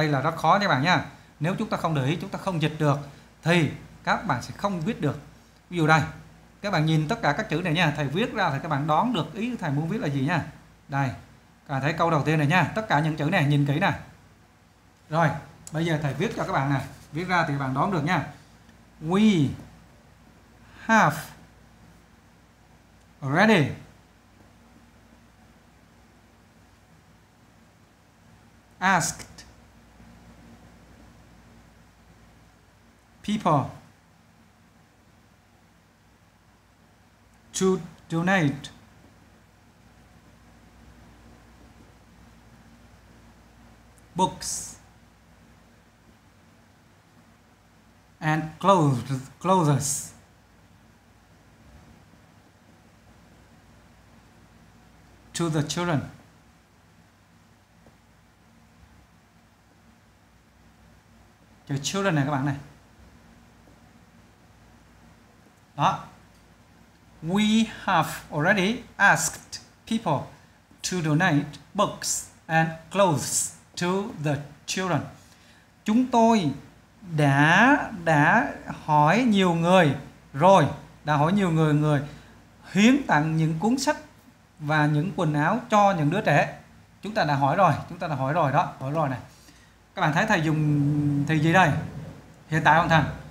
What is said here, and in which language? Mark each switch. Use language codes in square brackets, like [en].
[vi] Đây là rất khó các bạn nha. Nếu chúng ta không để ý, chúng ta không dịch được, thì các bạn sẽ không viết được. Ví dụ đây, các bạn nhìn tất cả các chữ này nha. Thầy viết ra thì các bạn đoán được ý thầy muốn viết là gì nha. Đây, các bạn thấy câu đầu tiên này nha. Tất cả những chữ này, nhìn kỹ nè. Rồi, bây giờ thầy viết cho các bạn nè. Viết ra thì các bạn đoán được nha. [en] We have already asked people to donate books and clothes to the children. [vi] chữ children này các bạn này. Đó. [en] We have already asked people to donate books and clothes to the children. [vi] Chúng tôi đã hỏi nhiều người rồi, đã hỏi nhiều người người hiến tặng những cuốn sách và những quần áo cho những đứa trẻ. Chúng ta đã hỏi rồi, chúng ta đã hỏi rồi đó, hỏi rồi này. Các bạn thấy thầy dùng thì gì đây? Hiện tại không thầy?